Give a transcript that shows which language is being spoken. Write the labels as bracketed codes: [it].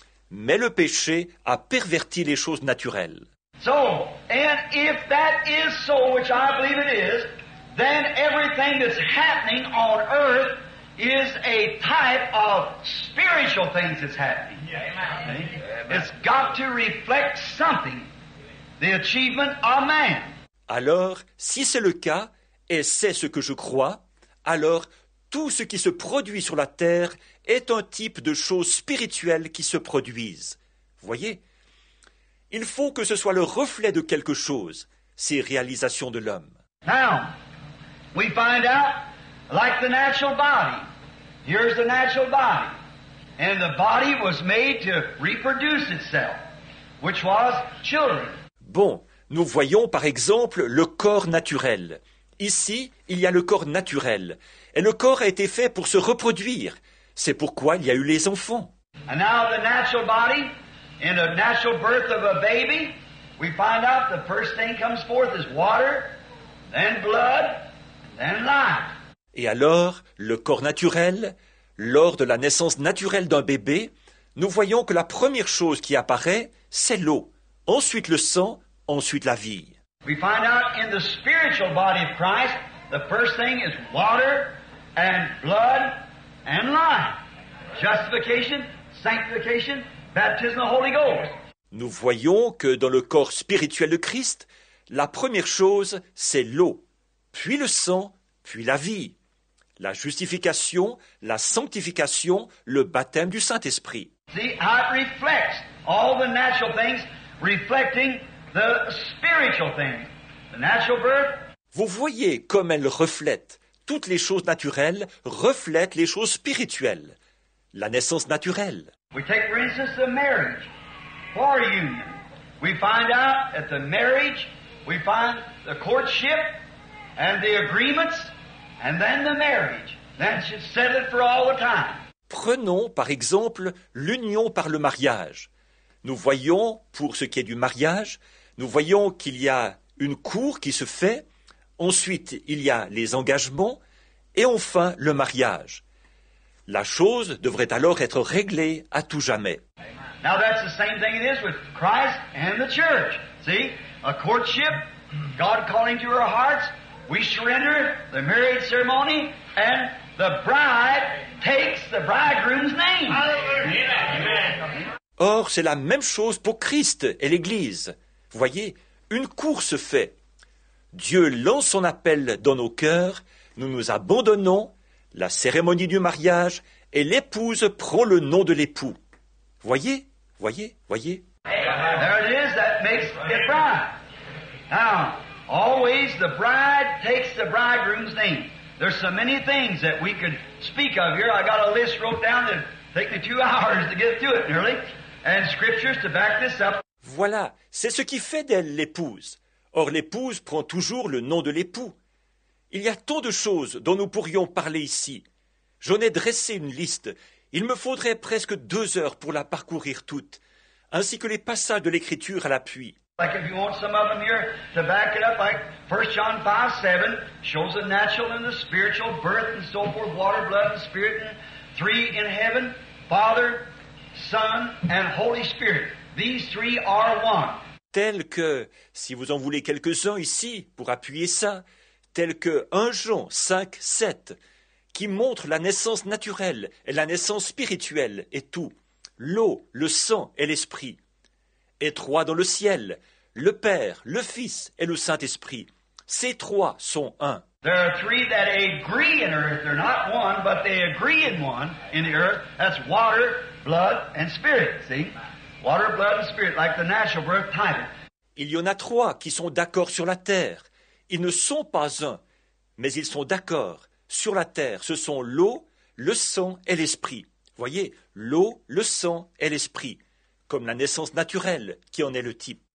[fr] Mais le péché a perverti les choses naturelles. [en] So, and if that is so, which I believe it is, then everything that's happening on earth is a type of spiritual things that's happening. Yeah, amen. It's got to reflect something, the achievement of man. [fr] Alors, si c'est le cas, et c'est ce que je crois, alors tout ce qui se produit sur la terre est un type de choses spirituelles qui se produisent. Voyez? Il faut que ce soit le reflet de quelque chose, ces réalisations de l'homme. [en] Now, we find out, like the natural body. Here's the natural body. And the body was made to reproduce itself, which was children. [fr] Bon. Nous voyons, par exemple, le corps naturel. Ici, il y a le corps naturel. Et le corps a été fait pour se reproduire. C'est pourquoi il y a eu les enfants. [en] And now the natural body, in a natural birth of a baby, we find out the first thing comes forth is water, then blood, then life. [fr] Et alors, le corps naturel, lors de la naissance naturelle d'un bébé, nous voyons que la première chose qui apparaît, c'est l'eau. Ensuite, le sang... ensuite la vie. [en] We find out in the spiritual body of Christ, the first thing is water and blood and life. Justification, sanctification, baptism of the Holy Ghost. [fr] Nous voyons que dans le corps spirituel de Christ, la première chose, c'est l'eau, puis le sang, puis la vie, la justification, la sanctification, le baptême du Saint-Esprit. [en] See how it reflects all the natural things reflecting the spiritual things, the natural birth. [fr] Vous voyez comme elle reflète. Toutes les choses naturelles reflètent les choses spirituelles. La naissance naturelle. [en] We take, for instance, the marriage or union. We find out at the marriage, we find the courtship and the agreements, and then the marriage. That should set it for all the time. [fr] Prenons, par exemple, l'union par le mariage. Nous voyons, pour ce qui est du mariage, nous voyons qu'il y a une cour qui se fait, ensuite il y a les engagements, et enfin le mariage. La chose devrait alors être réglée à tout jamais. [en] Now that's the same thing it is with Christ and the church. See, a courtship, God calling to our hearts, we surrender the marriage ceremony, and the bride takes the bridegroom's name. [fr] Or, c'est la même chose pour Christ et l'Église. Vous voyez, une cour se fait. Dieu lance son appel dans nos cœurs, nous nous abandonnons, la cérémonie du mariage, et l'épouse prend le nom de l'époux. Voyez, voyez, voyez. [en] There it is, that makes the bride. Now, always the bride takes the bridegroom's name. There's so many things that we could speak of here. I got a list wrote down that take me 2 hours to get through it nearly. And scriptures to back this up. [fr] Voilà, c'est ce qui fait d'elle l'épouse. Or, l'épouse prend toujours le nom de l'époux. Il y a tant de choses dont nous pourrions parler ici. J'en ai dressé une liste. Il me faudrait presque 2 heures pour la parcourir toute, ainsi que les passages de l'Écriture à l'appui. [en] Like if you want some of them here to back it up, like 1 John 5:7 shows the natural and the spiritual birth and so forth, water, blood and spirit, and three in heaven, Father, Son and Holy Spirit. These three are one. [fr] Tel que, si vous en voulez quelques-uns ici pour appuyer ça, tel que 1 Jean 5:7 qui montre la naissance naturelle et la naissance spirituelle et tout, l'eau, le sang et l'esprit. Et trois dans le ciel, le Père, le Fils et le Saint-Esprit. Ces trois sont un. [en] There are three that agree in earth. They're not one, but they agree in one in the earth. That's water, blood and spirit, see? Water, blood and spirit, like the natural birth title. [fr] Il y en a trois qui sont d'accord sur la terre. Ils ne sont pas un, mais ils sont d'accord sur la terre. Ce sont l'eau, le sang et l'esprit. Voyez, l'eau, le sang et l'esprit. Comme la naissance naturelle qui en est le type.